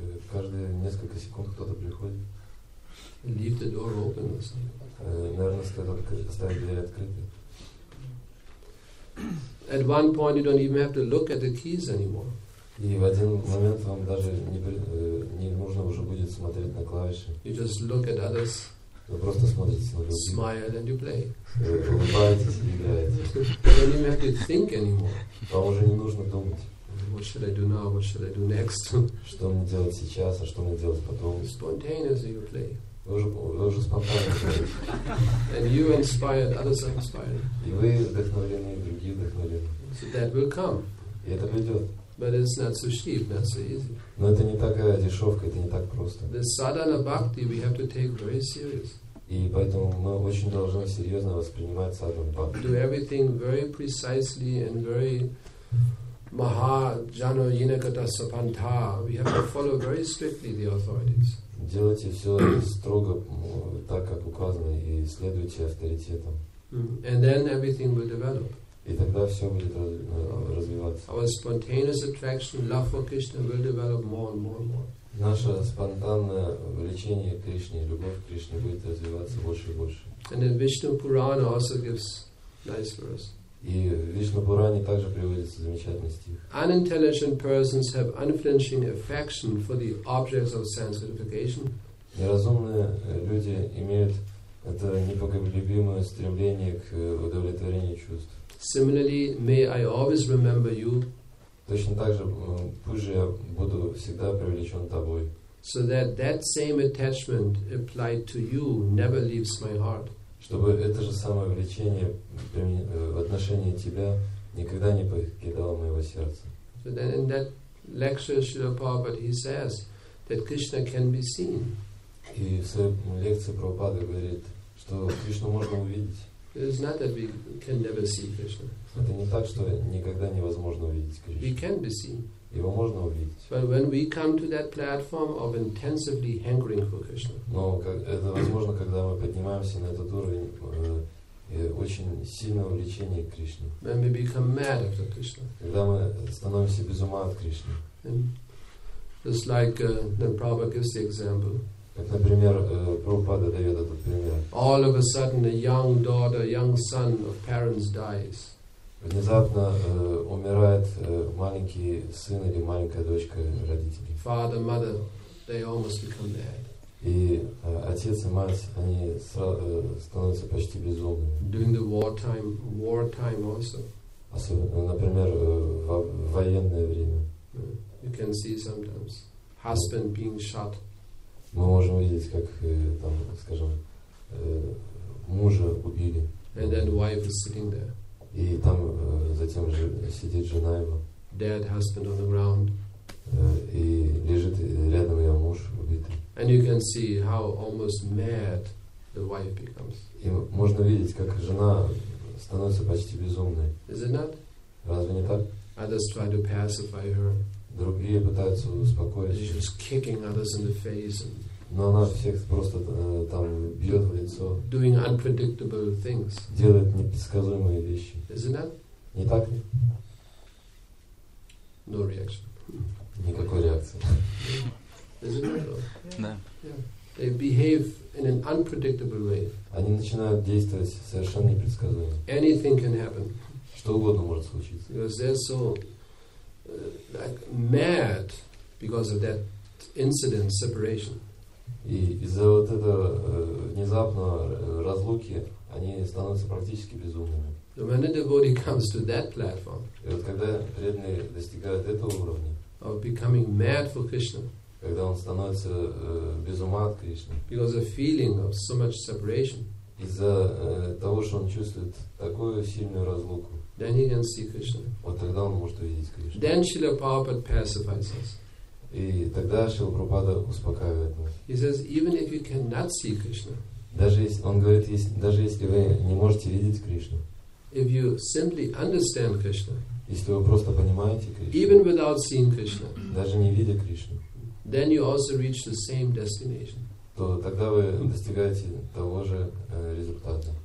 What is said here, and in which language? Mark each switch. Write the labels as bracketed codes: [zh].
[ru] Каждые несколько секунд кто-то приходит. [en] Leave the door open or something. [ru] Наверное, сказали оставить дверь открытой. [en] At one point you don't even have to look at the keys anymore. [ru] И в один момент вам даже не нужно уже будет смотреть на клавиши. [en] You just look at others. [ru] Вы просто смотрите на других. [en] Smile and you play. [ru] Улыбаетесь и играете. [en] You don't even have to think anymore. [ru] Вам уже не нужно думать. [en] What should I do now? What should I do next? [ru] Что мне делать сейчас, а что мне делать потом? [en] Spontaneously you play. [ru] Вы уже спонтанно играете. [en] And you inspired, others are inspired. [ru] И вы вдохновлены, и другие вдохновлены. [en] So that will come. [ru] И это придет. [en] But it's not so cheap, not so easy. [ru] Но это не такая дешевка, это не так просто. [en] The sadhana bhakti we have to take very serious. [ru] И поэтому мы очень должны серьезно воспринимать sadhana bhakti. [en] Do everything very precisely and very [sa] Maha Jano Yinakata Sapanta. [en] We have to follow very strictly the authorities. [ru] Делайте все строго так, как указано, и следуйте авторитетам. [en] And then everything will develop. [ru] И тогда все будет развиваться. [en] Our spontaneous attraction, love for Krishna, will develop more and more and more. [ru] Наше спонтанное влечение к Кришне, любовь к Кришне будет развиваться больше и больше. [en] And then Vishnu Purana also gives nice verse. [ru] И в Вишнапуране также приводится замечательный стих. [en] Unintelligent persons have unflinching affection for the objects of sense gratification. [ru] Неразумные люди имеют это непоколебимое стремление к удовлетворению чувств. [en] Similarly, may I always remember you. [ru] Точно так же, пусть же я буду всегда привлечен тобой. [en] So that that same attachment applied to you never leaves my heart. [ru] Чтобы это же самое влечение в отношении тебя никогда не покидало моего сердца. [en] So then in that lecture Srila Prabhupada he says that Krishna can be seen. [ru] И в своей лекции Прабхупада говорит, что Кришну можно увидеть. [en] It is not that we can never see Krishna. [ru] Это не так, что никогда невозможно увидеть Кришну. [en] We can be seen. [ru] Его можно увидеть. [en] But when we come to that platform of intensively hankering for Krishna. [ru] Но это возможно, когда мы поднимаемся на этот уровень очень сильного влечения к Кришне. [en] When we become mad after Krishna. [ru] Когда мы становимся без ума от Кришны. [en] Just like Prabhupada gives the example. [ru] Как, например, Прабхупада дает этот пример. [en] All of a sudden, a young daughter, young son of parents dies. [ru] Внезапно умирает маленький сын или маленькая дочка родителей. [en] Father, mother, they almost become mad. [ru] И отец и мать, они становятся почти безумными. [en] During the wartime also. [ru] Особенно, например, в военное время. [en] You can see sometimes husband being shot. [ru] Мы можем видеть, как там, скажем, мужа убили. [en] And then wife is sitting there. [ru] И там затем же сидит жена его. [en] Dead husband on the ground. [ru] И лежит рядом ее муж убитый. [en] And you can see how almost mad the wife becomes. [ru] И можно видеть, как жена становится почти безумной. [en] Is it not? [ru] Разве не так? [en] Others try to pacify her. [ru] Другие пытаются успокоить. [en] She's just kicking others in the face. [ru] Но она всех просто там бьет в лицо. [en] Doing unpredictable things. [ru] Делает непредсказуемые вещи. [en] Isn't that? [ru] Не так ли? [en] No reaction. [ru] Никакой реакции. [en] Isn't that? [ru] Да. [en] Yeah. They behave in an unpredictable way. [ru] Они начинают действовать совершенно непредсказуемо. [en] Anything can happen. [ru] Что угодно может случиться. [en] Because they're so like mad because of that incident, separation. [ru] И из-за вот этого внезапного разлуки они становятся практически безумными. [en] So when a devotee comes to that platform, [ru] и вот когда преданный достигает этого уровня, [en] of becoming mad for Krishna, [ru] когда он становится без ума от Кришны, [en] because of feeling of so much separation, [ru] из-за того, что он чувствует такую сильную разлуку, [en] then he can see Krishna. [ru] Вот тогда он может увидеть Кришну. [en] Then Srila Prabhupada pacifies us. [ru] И тогда Шрила Прабхупада успокаивает нас. [en] He says, even if you cannot see Krishna, [ru] даже если вы не можете видеть Кришну, [en] if you simply understand Krishna, [ru] если вы просто понимаете Кришну, [en] even without seeing Krishna, [ru] даже не видя Кришну, [en] then you also reach the same destination. [ru] То тогда вы достигаете того же результата.